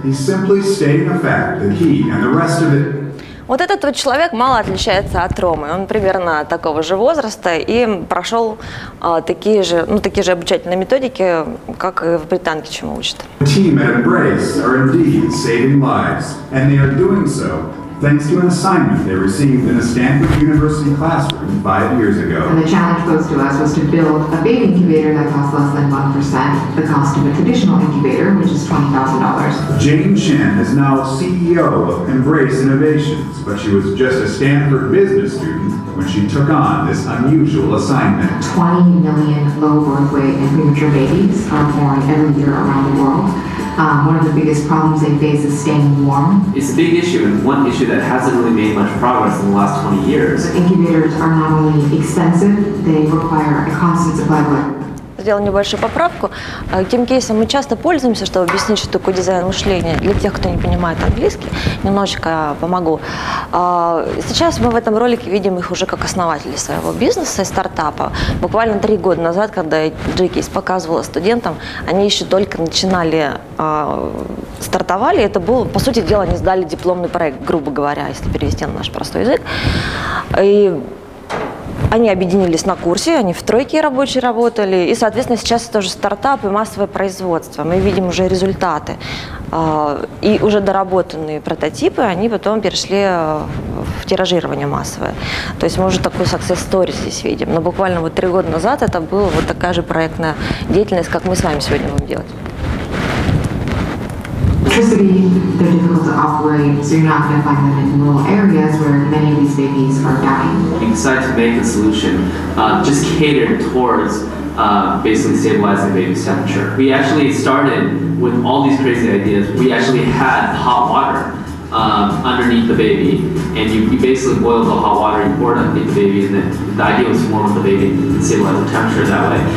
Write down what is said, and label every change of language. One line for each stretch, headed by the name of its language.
English: He's simply stating a fact that he and the rest of it.
Russian: Вот этот вот человек мало отличается от Ромы. Он примерно такого же возраста и прошел такие же обучательные методики, как и в британке, чему учат.
English: Team at Embrace are indeed saving lives, and they are doing so thanks to an assignment they received in a Stanford University classroom 5 years ago. And the challenge posed to us was to build a baby incubator that costs less than 1% the cost of a traditional incubator, which is $20,000. Jane Chen is now CEO of Embrace Innovations, but she was just a Stanford business student when she took on this unusual assignment. 20 million low birth weight and premature babies are born every year around the world. One of the biggest problems they face is staying warm. It's a big issue, and one issue that hasn't really made much progress in the last 20 years. The incubators are not only expensive, they require a constant supply of labor.
Russian: Сделал небольшую поправку. Тем кейсом мы часто пользуемся, чтобы объяснить, что такое дизайн мышления. Для тех, кто не понимает английский, немножечко помогу. Сейчас мы в этом ролике видим их уже как основателей своего бизнеса и стартапа. Буквально 3 года назад, когда G-Case показывала студентам, они еще только начинали, стартовали. Это было, по сути дела, они сдали дипломный проект, грубо говоря, если перевести на наш простой язык. И они объединились на курсе, они в тройке рабочие работали, и, соответственно, сейчас это уже стартап и массовое производство. Мы видим уже результаты. И уже доработанные прототипы, они потом перешли в тиражирование массовое. То есть мы уже такую success story здесь видим. Но буквально вот 3 года назад это была вот такая же проектная деятельность, как мы с вами сегодня будем делать.
English: Electricity, they're difficult to operate, so you're not going to find them in rural areas where many of these babies are dying. We decided to make a solution just catered towards basically stabilizing the baby's temperature. We actually started with all these crazy ideas. We actually had hot water underneath the baby, and you basically boil the hot water, you pour it underneath the baby, and then the idea was to warm up the baby and stabilize the temperature that way.